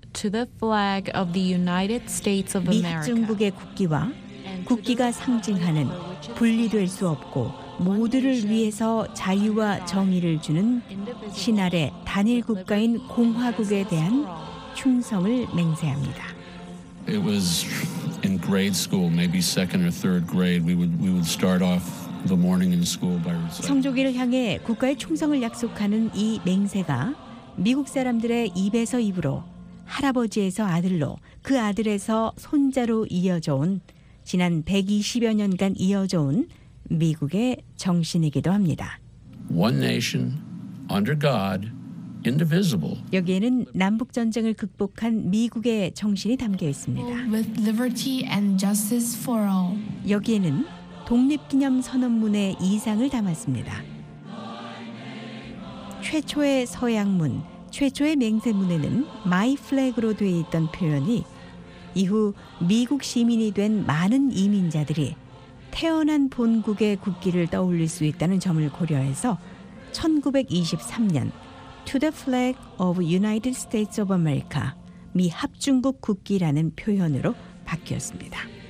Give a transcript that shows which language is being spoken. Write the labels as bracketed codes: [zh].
[en] To the flag of the United States of America. [ko] 미국 중국의 국기와 국기가 상징하는 분리될 수 없고 모두를 위해서 자유와 정의를 주는 신아래 단일 국가인 공화국에 대한 충성을 맹세합니다. [en] It was in grade school, maybe second or third grade. We would start off the morning in school by. [ko] 성조기를 향해 국가의 충성을 약속하는 이 맹세가 미국 사람들의 입에서 입으로 할아버지에서 아들로 그 아들에서 손자로 이어져온 지난 120여 년간 이어져온 미국의 정신이기도 합니다. [en] One nation under God, indivisible. [ko] 여기에는 남북 전쟁을 극복한 미국의 정신이 담겨 있습니다. [en] With liberty and justice for all. [ko] 여기에는 독립 기념 선언문의 이상을 담았습니다. 최초의 서양문, 최초의 맹세문에는 [en] My flag [ko] 으로 되어 있던 표현이 이후 미국 시민이 된 많은 이민자들이 태어난 본국의 국기를 떠올릴 수 있다는 점을 고려해서 1923년 [en] To the flag of United States of America, [ko] 미 합중국 국기라는 표현으로 바뀌었습니다.